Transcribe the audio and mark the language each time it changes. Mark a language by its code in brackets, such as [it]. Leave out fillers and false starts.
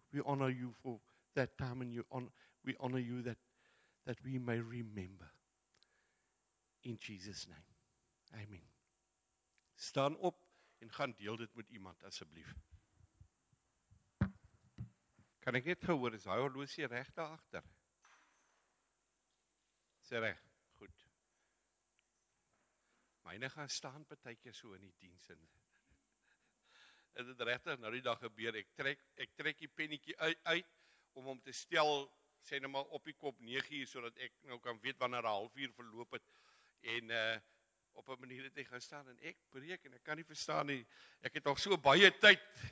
[en] We honor you for that time and we honor you that we may remember. In Jesus' name. Amen. [af] Staan op en gaan deel dit met iemand, asseblief. Kan ek net hoor, is hy horlosie reg daar agter? Is hy reg? Myne gaan staan partykeer so in die diens en dit het regtig nou die dag gebeur, ek trek die pennetjie uit om hom te stel, sê nou maar op die kop 9:00 sodat ek nou kan weet wanneer 'n halfuur verloop het en op 'n manier het hy gaan staan en ek breek en ek kan nie verstaan nie, ek het nog so baie tyd.